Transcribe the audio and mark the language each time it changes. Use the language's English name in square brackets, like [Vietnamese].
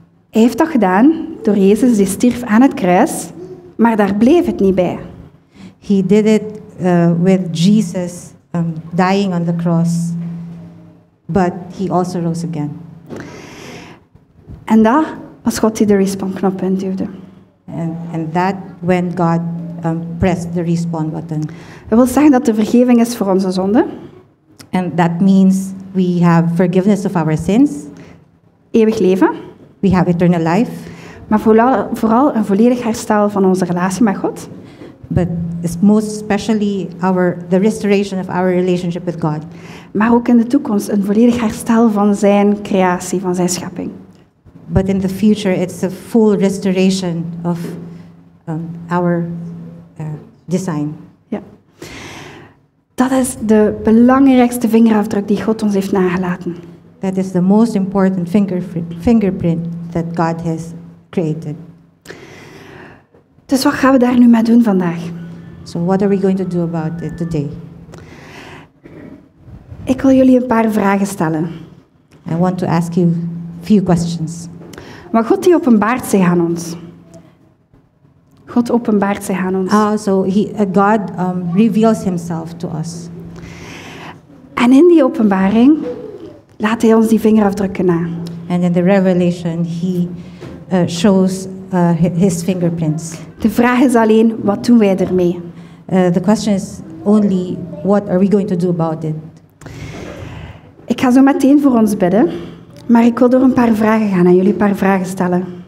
[Dutch] Hij heeft dat gedaan door Jezus die stierf aan het kruis, maar daar bleef het niet bij. [English] He did it with Jesus dying on the cross, but he also rose again. [Dutch] En dat was God die de respawn knop induwde. [English] And that when God pressed the respawn button. [Dutch] Dat wil zeggen dat er vergeving is voor onze zonden. [English] And that means we have forgiveness of our sins. [Dutch] Eeuwig leven. [English] We have eternal life. [Dutch] Maar vooral een volledig herstel van onze relatie met God. [English] But most especially the restoration of our relationship with God. [Dutch] Maar ook in de toekomst een volledig herstel van zijn creatie, van zijn schepping. [English] But in the future it's a full restoration of our design. Ja. [Dutch] Dat is de belangrijkste vingerafdruk die God ons heeft nagelaten. [English] That is the most important fingerprint that God has created. [Dutch] Dus wat gaan we daar nu mee doen vandaag? [English] So what are we going to do about it today? [Dutch] Ik wil jullie een paar vragen stellen. [English] I want to ask you a few questions. [Dutch] Maar God die openbaart zich aan ons. God openbaart zich aan ons. [English] God reveals himself to us. [Dutch] En in die openbaring laat hij ons die vingerafdrukken na. [English] And in the revelation he shows his fingerprints. [Dutch] De vraag is alleen, wat doen wij ermee? [English] The question is only, what are we going to do about it? [Dutch] Ik ga zo meteen voor ons bidden, maar ik wil door een paar vragen gaan en jullie een paar vragen stellen.